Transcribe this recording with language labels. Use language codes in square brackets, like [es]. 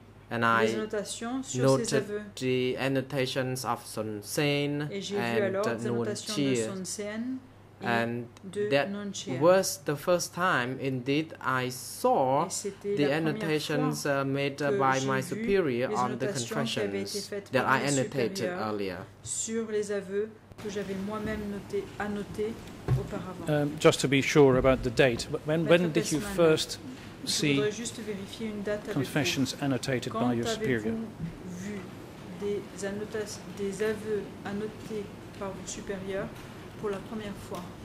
[en] And I noted the annotations of Son Sen and Nguyen Chia. And that was the first time, indeed, I saw the annotations made by my superior on the confessions that I annotated earlier. [fr] Sur les aveux que j'avais moi-même noté, annoté auparavant. [en] Just to be sure about the date, when did you first see confessions annotated by your superior? [fr] Des aveux annotés par votre supérieur pour la première fois.